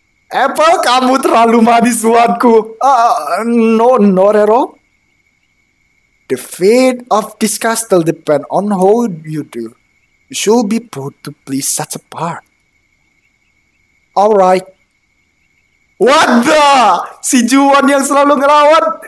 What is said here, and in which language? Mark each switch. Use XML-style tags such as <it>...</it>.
<id>Apa kamu terlalu manis buatku?</id> <en>No, not at all. The fate of this castle depends on how you do. You should be proud to play such a part. Alright. What the?</en> <id>Si Juan yang selalu ngelawan.</id>